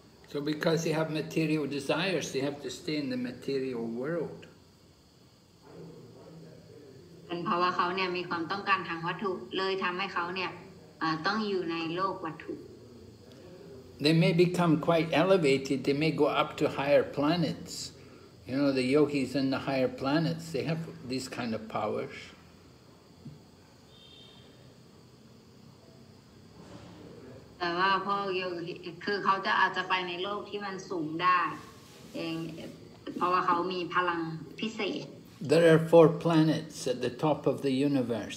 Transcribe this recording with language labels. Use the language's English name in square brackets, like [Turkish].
[English] So because they have material desires, they have to stay in the material world. [Thai] And เพราะว่าเขาเนี่ยมีความต้องการทางวัตถุเลยทำให้เขาเนี่ยต้องอยู่ในโลกวัตถุ [English] They may become quite elevated. They may go up to higher planets. You know, the yogis in the higher planets, they have these kind of powers. [Thai] แต่ว่าพวกโยคีคือเขาจะอาจจะไปในโลกที่มันสูงได้เองเพราะว่าเขามีพลังพิเศษ [English] There are four planets at the top of the universe.